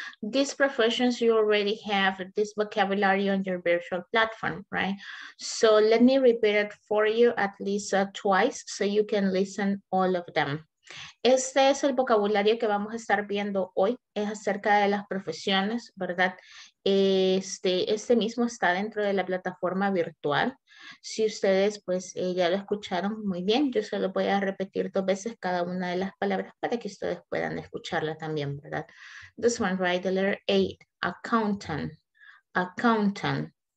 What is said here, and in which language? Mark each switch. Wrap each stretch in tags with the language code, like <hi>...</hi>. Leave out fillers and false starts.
<en>These professions, you already have this vocabulary on your virtual platform, right? So let me repeat it for you at least twice so you can listen all of them.</en> <es>Este es el vocabulario que vamos a estar viendo hoy. Es acerca de las profesiones, ¿verdad? Este mismo está dentro de la plataforma virtual. Si ustedes pues ya lo escucharon muy bien, yo solo voy a repetir dos veces cada una de las palabras para que ustedes puedan escucharla también, ¿verdad?</es> <en>This one, right? The letter A, accountant, accountant.</en>